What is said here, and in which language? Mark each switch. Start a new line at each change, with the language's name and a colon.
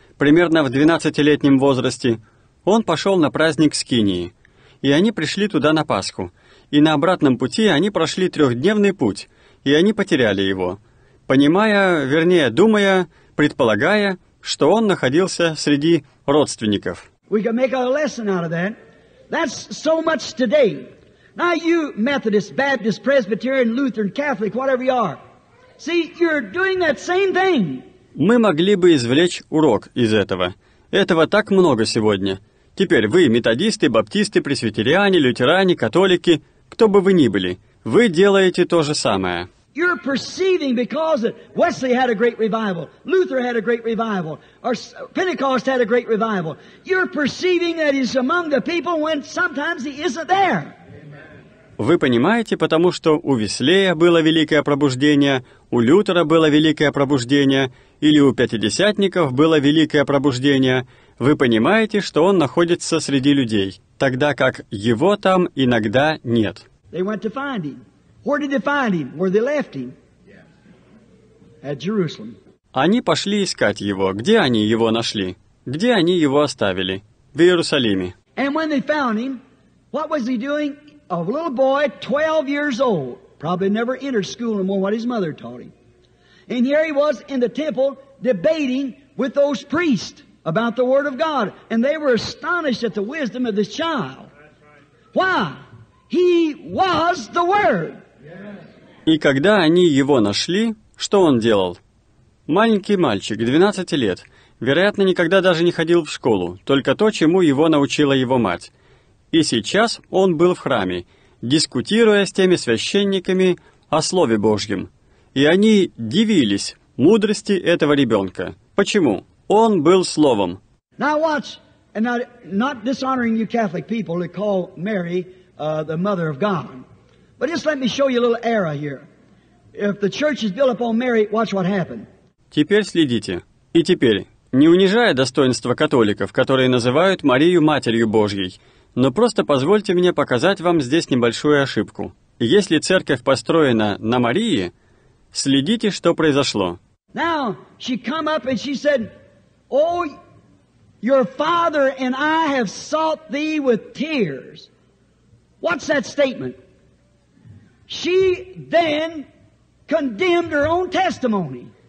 Russian: примерно в 12-летнем возрасте, он пошел на праздник Скинии, и они пришли туда на Пасху, и на обратном пути они прошли трехдневный путь, и они потеряли его, понимая, вернее, думая, предполагая, что он находился среди родственников.
English: We can make a lesson out of that. That's so much today. Now you, Methodist, Baptist, Presbyterian, Lutheran, Catholic, whatever you are, see, you're doing that same thing.
Russian: Мы могли бы извлечь урок из этого. Этого так много сегодня. Теперь вы, методисты, баптисты, пресвитериане, лютеране, католики, кто бы вы ни были, вы делаете то же самое.
English: You're perceiving because Wesley had a great revival, Luther had a great revival, or Pentecost had a great revival. You're perceiving that he's among the people when sometimes he isn't there.
Russian: Вы понимаете, потому что у Веслея было великое пробуждение, у Лютера было великое пробуждение, или у пятидесятников было великое пробуждение, вы понимаете, что он находится среди людей, тогда как его там иногда нет.
English: They went to find him. Where did they find him? Where they left him? At Jerusalem.
Russian: Они пошли искать его. Где они его нашли? Где они его оставили? В Иерусалиме.
English: And when they found him, what was he doing? A little boy, 12 years old, probably never entered school no more what his mother taught him. And here he was in the temple debating with those priests about the Word of God. And they were astonished at the wisdom of this child. Why? He was the Word.
Russian: И когда они его нашли, что он делал? Маленький мальчик, 12 лет, вероятно, никогда даже не ходил в школу, только то, чему его научила его мать. И сейчас он был в храме, дискутируя с теми священниками о Слове Божьем. И они дивились мудрости этого ребенка. Почему? Он был Словом.
English: Now watch, and I'm not dishonoring you Catholic people that call Mary the Mother of God. But just let me show you a little error here. If the church is built upon Mary, watch what happened.
Russian: Теперь следите. И теперь, не унижая достоинства католиков, которые называют Марию Матерью Божьей, но просто позвольте мне показать вам здесь небольшую ошибку. Если церковь построена на Марии, следите, что произошло.
English: Now, she come up and she said, Oh, your father and I have sought thee with tears. What's that statement? She then condemned her own testimony.